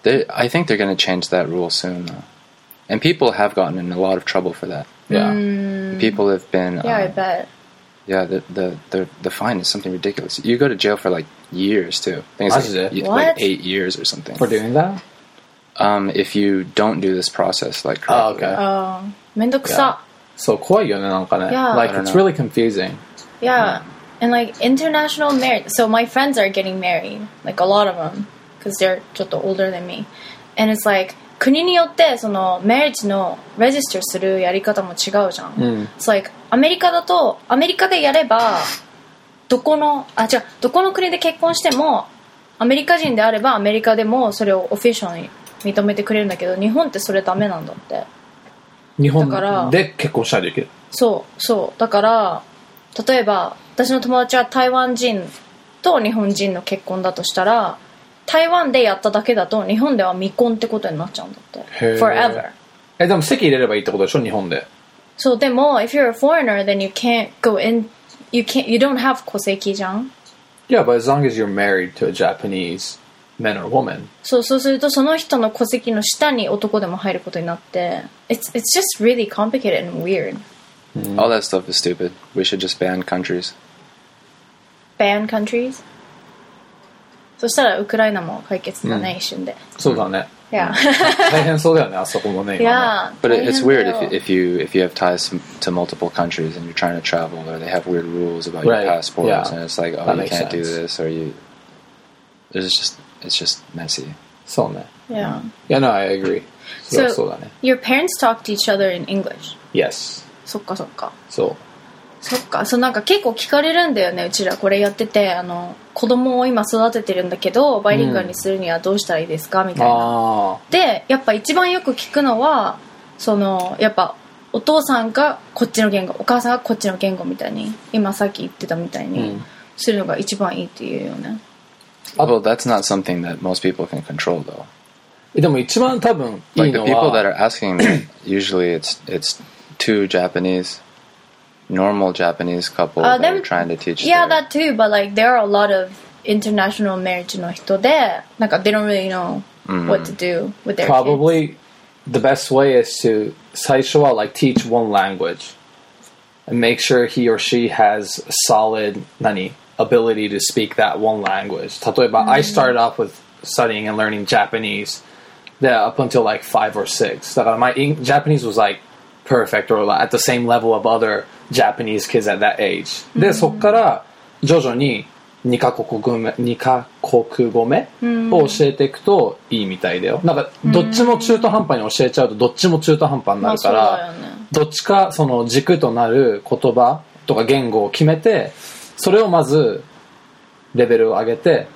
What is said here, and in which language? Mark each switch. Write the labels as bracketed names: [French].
[English] I think they're going to change that rule soon, though. And people have gotten in a lot of trouble for that. Yeah. People have been... Yeah, I bet. Yeah, the fine is something ridiculous. You go to jail for, like, years, too. I think it's like 8 years or something. For doing that? If you don't do this process, like, correctly. Oh, okay. [Japanese] めんどくさ。 So, 怖いよね、なんかね。 [English] Yeah. Like, it's really confusing. Yeah. And, like, international marriage. So, my friends are getting married. Like, a lot of them. Because they're ちょっと older than me. And it's like, [Japanese] 国によってその [English] marriage [Japanese] のレジスターするやり方も違うじゃん。 [English] It's like, [Japanese] アメリカでやれば、どこの国で結婚しても、アメリカ人であれば、アメリカでもそれをオフィシャルに認めてくれるんだけど、日本ってそれダメなんだって。日本で結婚したらできる。そう。だから、例えば、私の友達は台湾人と日本人の結婚だとしたら、台湾でやっただけだと、日本では未婚ってことになっちゃうんだって。 [English] Forever。 [Japanese] え、でも籍入れればいいってことでしょ、日本で。そう、でも、 [English] if you're a foreigner, then you can't go in, you don't have [Japanese] 戸籍じゃん。 [English] Yeah, but as long as you're married to a Japanese man or woman. [Japanese] そうすると、その人の戸籍の下に男でも入ることになって、 [English] It's just really complicated and weird. All that stuff is stupid. We should just ban countries. Ban countries? [Japanese] そしたらウクライナも解決だね、一瞬で。そうだね。 [English] Yeah. [Japanese] 大変そうだよね、あそこもね。 [English] Yeah. But it's weird if you have ties to multiple countries and you're trying to travel or they have weird rules about your passports and it's like, oh, you can't do this or you... It's just messy. [Japanese] そうね。 [English] Yeah. Yeah, no, I agree. So, your parents talk to each other in English? Yes. [Japanese] そっか。そう。そっか。そう、なんか結構聞かれるんだよね、うちらこれやってて、あの、子供を今育ててるんだけど、バイリンガルにするにはどうしたらいいですかみたいな。で、やっぱ一番よく聞くのは、その、やっぱ、お父さんがこっちの言語、お母さんがこっちの言語みたいに、今さっき言ってたみたいにするのが一番いいっていうよね。 [English] Well, that's not something that most people can control, though. [Japanese] でも一番多分いいのは、 [English] like the people that are asking me, usually it's two Japanese, normal Japanese couple that are trying to teach. Yeah, that too. But like there are a lot of international marriage [Japanese] の人で、なんか [English] they don't really know what to do with their probably kids. The best way is to [Japanese] 最初は [English] like teach one language and make sure he or she has solid 何ability to speak that one language. [Japanese] 例えば、 [English] I started off with studying and learning Japanese up until like 5 or 6. [Japanese] だから [English] my Japanese was like perfect or at the same level of other Japanese kids at that age. [Japanese] で、そこから徐々に2カ国語目を教えていくといいみたいだよ。なんかどっちも中途半端に教えちゃうとどっちも中途半端になるから、まあそうだよね、どっちかその軸となる言葉とか言語を決めて、それをまずレベルを上げて、